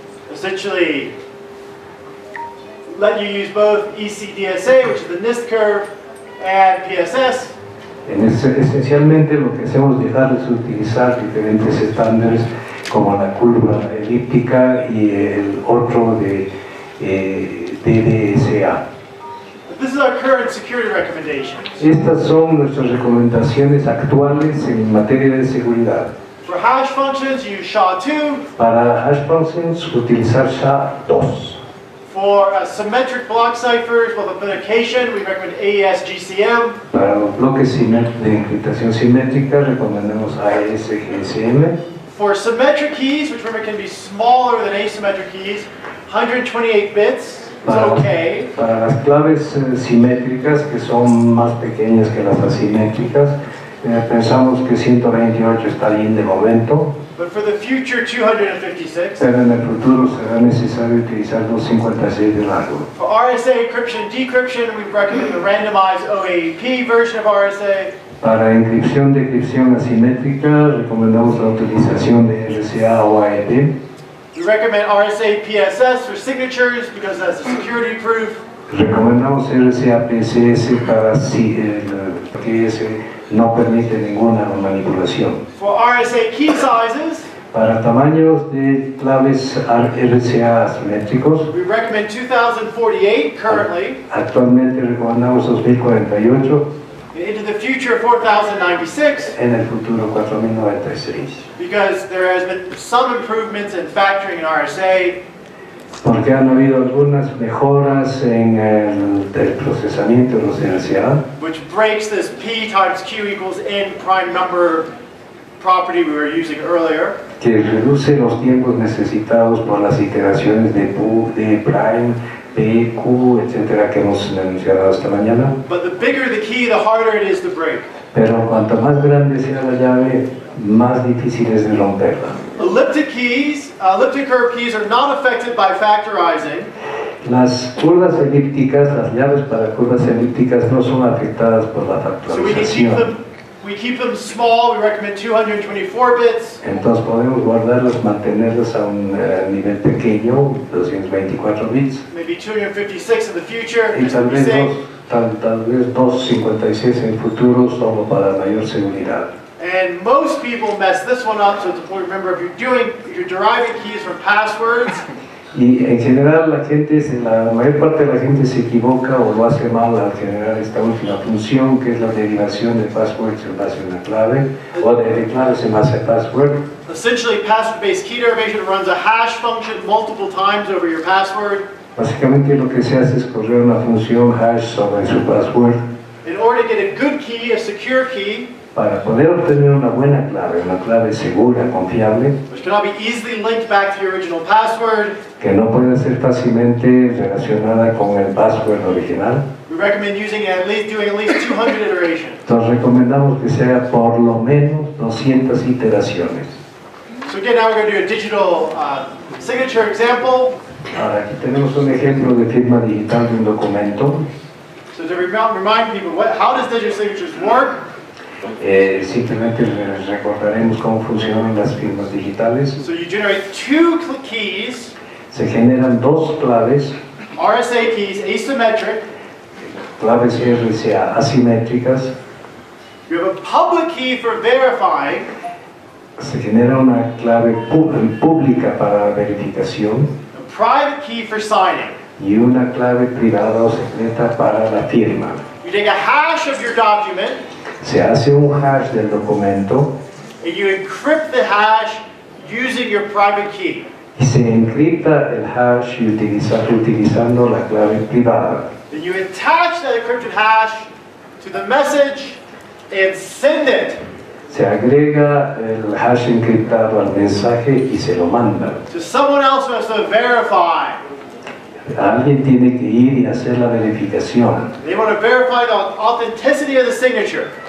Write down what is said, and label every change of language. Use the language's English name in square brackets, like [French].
[English] Essentially, let you use both EC-DSA, which is the NIST curve, and PSS. [Spanish] Esencialmente, lo que hacemos dejar es utilizar diferentes estándares como la curva elíptica y el otro de DSA. [English] This is our current security recommendations. [Spanish] Estas son nuestras recomendaciones actuales en materia de seguridad. [English] For hash functions, use SHA-2. [Spanish] Para hash functions, utilizar SHA-2. [English] For symmetric block ciphers with authentication, we recommend AES-GCM. [Spanish] Para los bloques de encriptación simétrica, recomendamos AES-GCM. [English] For symmetric keys, which remember can be smaller than asymmetric keys, 128 bits is okay. [Spanish] Para las claves simétricas, que son más pequeñas que las asimétricas, pensamos que 128 está bien de momento. [English] But for the future, 256. [Spanish] Pero en el futuro será necesario utilizar 256 de largo. [English] For RSA encryption decryption, we recommend the randomized OAEP version of RSA. [Spanish] Para encripción decripción asimétrica, recomendamos la utilización de RSA o AEP. [English] We recommend RSA PSS for signatures because that's a security proof. [Spanish] Recomendamos RSA PSS para PSS. No permite ninguna manipulación. [English] For RSA key sizes, [Spanish] para tamaños de claves RSA asimétricos, [English] we recommend 2048 currently. [Spanish] Actualmente recomendamos 2048. [English] Into the future, 4096. [Spanish] En el futuro, 4096. [English] Because there has been some improvements in factoring in RSA. [Spanish] Porque han habido algunas mejoras en el procesamiento de los RSA. [English] Which breaks this P times Q equals N prime number property we were using earlier. [Spanish] Que reduce los tiempos necesitados por las iteraciones de P, D prime, P, Q, etc. que hemos mencionado esta mañana. [English] But the bigger the key, the harder it is to break. [Spanish] Pero cuanto más grande sea la llave, más difícil es de romperla. [English] Elliptic keys, elliptic curve keys are not affected by factorizing. [Spanish] Las curvas elípticas, las llaves para curvas elípticas no son afectadas por la factorización. [English] So we keep them small, we recommend 224 bits. [Spanish] Entonces podemos guardarlas, mantenerlas a un nivel pequeño, 224 bits. [English] Maybe 256 in the future. [Spanish] Y tal vez 256 en el futuro solo para mayor seguridad. [English] And most people mess this one up, so it's important to remember if you're deriving keys from passwords. [Spanish] Y en general la mayor parte de la gente se equivoca o lo hace mal al generar esta última función, que es la derivación de passwords en base a una clave, o de claves en base a password. [English] Essentially, password-based key derivation runs a hash function multiple times over your password. [Spanish] Básicamente lo que se hace es correr una función hash sobre su password. [English] In order to get a good key, a secure key, [Spanish] para poder obtener una buena clave, una clave segura, confiable, [English] which cannot be easily linked back to your original password, [Spanish] que no puede ser fácilmente relacionada con el password original, [English] we recommend doing at least 200 iterations. [Spanish] Entonces recomendamos que sea por lo menos 200 iteraciones. [English] So again, now we're going to do a digital signature example. [Spanish] Ahora aquí tenemos un ejemplo de firma digital de un documento. [English] So to remind people what, how does digital signatures work? [Spanish] Simplemente recordaremos cómo funcionan las firmas digitales. [English] So you generate two keys. [Spanish] Se generan dos claves. [English] RSA keys, asymmetric. [Spanish] Claves RSA asimétricas. [English] You have a public key for verifying. [Spanish] Se genera una clave pública para verificación. [English] A private key for signing. [Spanish] Y una clave privada o secreta para la firma. [English] You take a hash of your document. [Spanish] Se hace un hash del documento. [English] And you encrypt the hash using your private key. [Spanish] Y se encripta el hash utilizando la clave privada. [English] Then you attach that encrypted hash to the message and send it. [Spanish] Se agrega el hash encriptado al mensaje y se lo manda. [English] So someone else has to verify. [Spanish] Alguien tiene que ir y hacer la verificación. [English] They want to verify the authenticity of the signature.